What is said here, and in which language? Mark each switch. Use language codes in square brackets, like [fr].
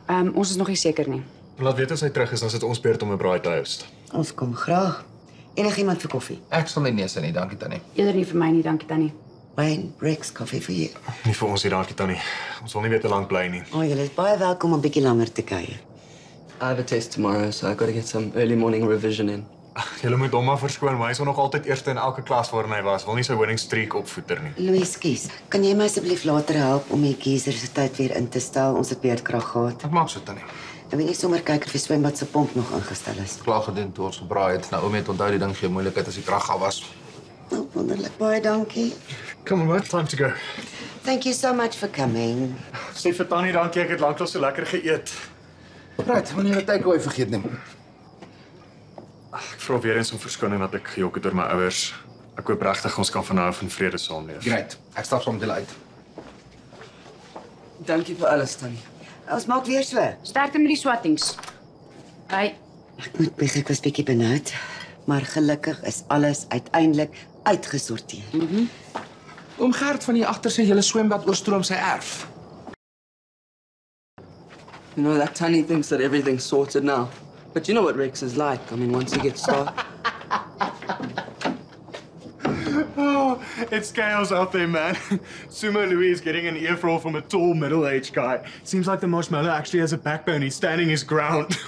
[af] Ons is nog nie seker nie. Laat weet as hy terug is, dan sit ons beurt om 'n braai te host. Ons kom graag. Enigiemand vir koffie? Ek sal nie nee sê nie, dankie tannie. Eerder nie vir my nie, dankie tannie. Wayne, Rex, koffie vir jou. Nie vir ons hier, dankie tannie. Ons wil nie weer te lank bly nie. O, oh, julle is baie welkom om 'n bietjie langer te kuier. [en] I have a test tomorrow, so I got to get some early morning revision in. [af] Julle moet hom maar verskoon, maar hy is nog altyd eerste in elke klas waarin hy was. Wil nie sy winning streak opvoeter nie. Louis, kies. Kan jy my asseblief later help om die geyser se tyd weer in te stel? Ons het beerdkrag gehad. Ek maak so, tannie. Ek weet nie sommer kyk of die swembad se pomp nog ingestel is. Klaar gedoen toe ons gebraai het. Naomi het onthou die ding gee moeilikheid as die krag af was. Oh, wonderlik. Baie dankie. [en] Come on, man. Time to go. Thank you so much for coming. [af] Sê vir tannie dankie, ek het lanklaas so lekker geëet. Right, moet nie die takeaway vergeet nie. Ek vra weer eens om verskoning dat ek gejok het oor my ouers. Ek hoop regtig ons kan vanaf in vrede saamleef. Great. Ek stap saam met julle uit. Dankie vir alles, tannie. Ons maak weer so. Sterkte met die swattings. Hi. Ek moet bietjie iets bietjie benoud, maar gelukkig is alles uiteindelik uitgesorteer. Oom Gert van hier agter sê julle swembad oorstroom sy erf. [en] You know, that tiny thinks that everything's sorted now. But you know what Rex is like. I mean, once he gets started. Oh, it's chaos out there, man. Sumo Louis is getting an earful from a tall, middle-aged guy. Seems like the marshmallow actually has a backbone. He's standing his ground.